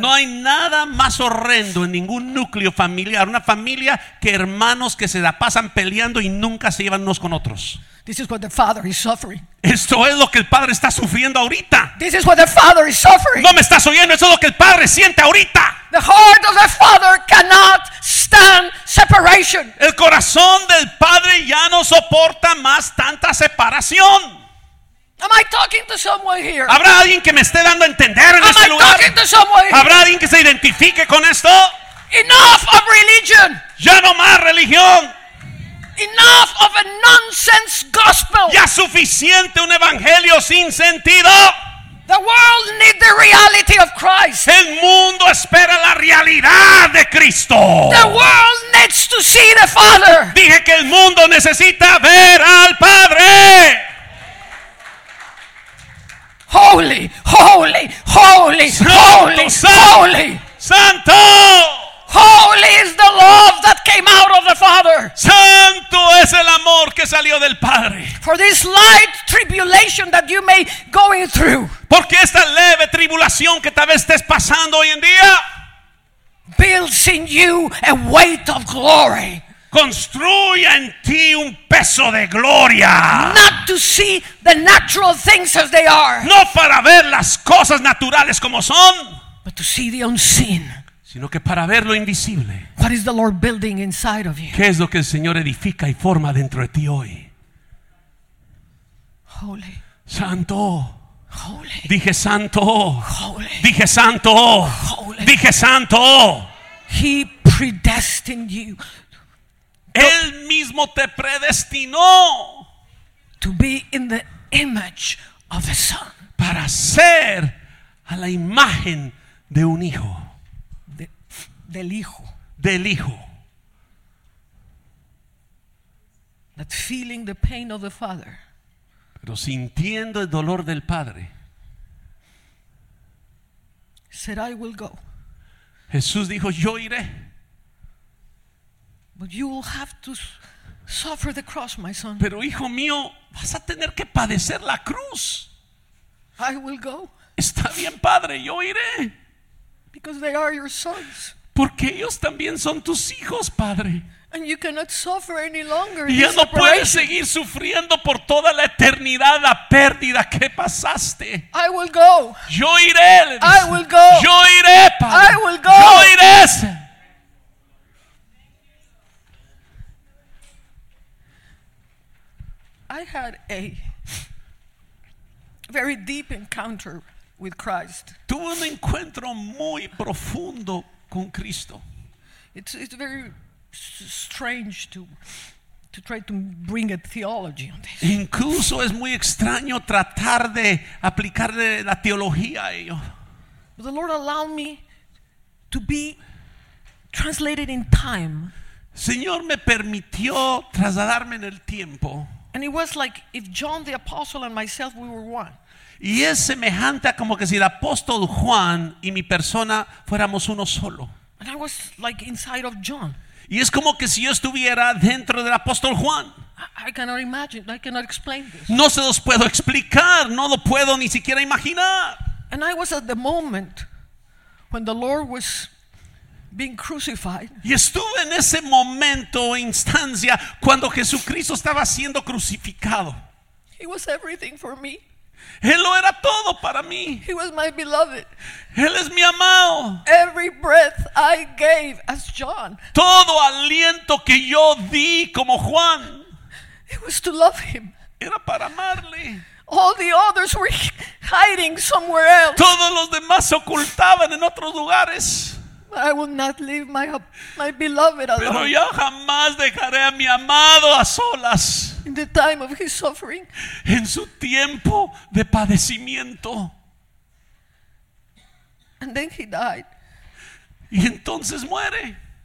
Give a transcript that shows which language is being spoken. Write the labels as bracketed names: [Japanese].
[Spanish] No hay nada más horrendo en ningún núcleo familiar, una familia, que hermanos que se la pasan peleando y nunca se llevan unos con otros. [English] This is what the father is suffering. [Spanish] Esto es lo que el padre está sufriendo ahorita. [English] This is what the father is suffering. [Spanish] No me estás oyendo, eso es lo que el padre siente ahorita. [English] The heart of the father cannot stand separation. [Spanish] El corazón del padre ya no soporta más tanta separación. [English] Am I talking to someone here? [Spanish] ¿Habrá alguien que me esté dando a entender en [English] Am [Spanish] este [English] I [Spanish] lugar? [English] Talking to someone here? [Spanish] ¿Habrá alguien que se identifique con esto? [English] Enough of religion. [Spanish] Ya no más religión. [English] Enough of a nonsense gospel. [Spanish] Ya suficiente un evangelio sin sentido. [English] The world needs the reality of Christ. [Spanish] El mundo espera la realidad de Cristo. [English] The world needs to see the Father. [Spanish] Dije que el mundo necesita ver al Padre. [English] Holy, holy, holy, [Spanish] santo, [English] holy, [Spanish] santo, [English] holy. [Spanish] Santo. [English] Holy is the love that came out of the Father. [Spanish] Santo es el amor que salió del Padre. [English] For this light tribulation that you may going through. [Spanish] Porque esta leve tribulación que tal vez estés pasando hoy en día [English] builds in you a weight of glory. [Spanish] Construye en ti un peso de gloria. [English] Not to see the natural things as they are. [Spanish] No para ver las cosas naturales como son. [English] But to see the unseen. [Spanish] Sino que para ver lo invisible. [English] What is the Lord building inside of you? [Spanish] ¿Qué es lo que el Señor edifica y forma dentro de ti hoy? [English] Holy. [Spanish] Santo. [English] Holy. [Spanish] Dije santo. [English] Holy. [Spanish] Dije santo. [English] Holy. [Spanish] Dije santo. [English] He predestined you. [Spanish] Él mismo te predestinó. [English] To be in the image of the Son. [Spanish] Para ser a la imagen de un hijo. Del hijo. Del hijo. [English] That feeling the pain of the father. [Spanish] Pero sintiendo el dolor del padre. [English] Said I will go. [Spanish] Jesús dijo yo iré. [English] But you will have to suffer the cross, my son. [Spanish] Pero hijo mío, vas a tener que padecer la cruz. [English] I will go. [Spanish] Está bien, padre, yo iré. [English] Because they are your sons. [Spanish] Porque ellos también son tus hijos, padre. [English] And you cannot suffer any longer. [Spanish] Y ya no puedes seguir sufriendo por toda la eternidad la pérdida que pasaste. [English] I will go. [Spanish] Yo iré. [English] I will go. [Spanish] Yo iré, padre. [English] I will go. [Spanish] Yo iré. [English] I had a very deep encounter with Christ. [Spanish] Tuve un encuentro muy profundo. Con Cristo. [English] It's very strange to try to bring a theology on this. [Spanish] Incluso es muy extraño tratar de aplicarle la teología a ello. [English] But the Lord allowed me to be translated in time. [Spanish] Señor me permitió trasladarme en el tiempo. [English] And it was like if John the apostle and myself we were one. [Spanish] Y es semejante a como que si el apóstol Juan y mi persona fuéramos uno solo. [English] And I was like inside of John. [Spanish] Y es como que si yo estuviera dentro del apóstol Juan. [English] I cannot imagine, I cannot explain this. [Spanish] No se los puedo explicar, no lo puedo ni siquiera imaginar. [English] And I was at the moment when the Lord was being crucified. [Spanish] Y estuve en ese momento o instancia cuando Jesucristo estaba siendo crucificado. [English] He was everything for me. [Spanish] Él lo era todo para mí. [English] He was my beloved. [Spanish] Él es mi amado. [English] Every breath I gave as John. [Spanish] Todo aliento que yo di como Juan. [English] It was to love him. [Spanish] Era para amarle. [English] All the others were hiding somewhere else. [Spanish] Todos los demás se ocultaban en otros lugares. [English] But I will not leave my beloved alone. [Spanish] Pero yo jamás dejaré a mi amado a solas. [English] In the time of his suffering. [Spanish] En su tiempo de padecimiento. [English] And then he died. [Spanish] Y entonces muere.